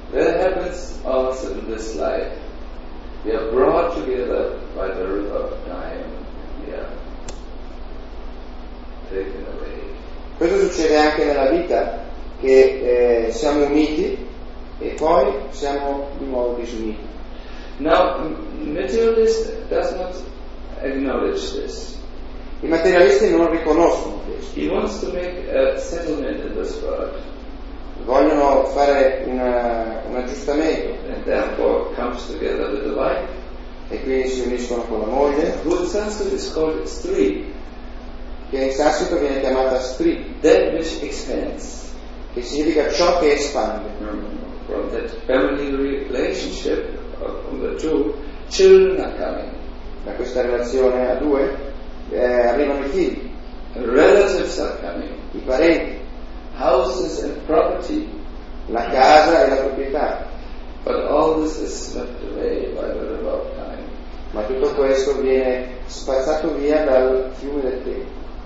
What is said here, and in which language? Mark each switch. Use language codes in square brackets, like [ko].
[en] That happens also in this life. We are brought together by the river of time and we are taken away. [it] Questo succede anche nella vita che siamo uniti e poi siamo di nuovo disuniti. [en] Now, materialist does not acknowledge this. [it] I materialisti non riconoscono questo. [en] He wants to make a settlement in this world. [it] Vogliono fare un aggiustamento. [en] And therefore comes together with the wife. [it] E quindi si uniscono con la moglie. [en] Good Sanskrit is called stree. [it] Che in sanscrito viene chiamata stri, [en] that which expands, [it] che significa ciò che espande. [en] From that family relationship of the two, children are coming. [it] Da questa relazione a due arrivano i figli. [en] Relatives are coming. [it] I parenti. [en] Houses and property. [it] La casa e la proprietà. [en] But all this is swept away by the river of time. [it] Ma tutto questo viene spazzato via dal fiume del tempo.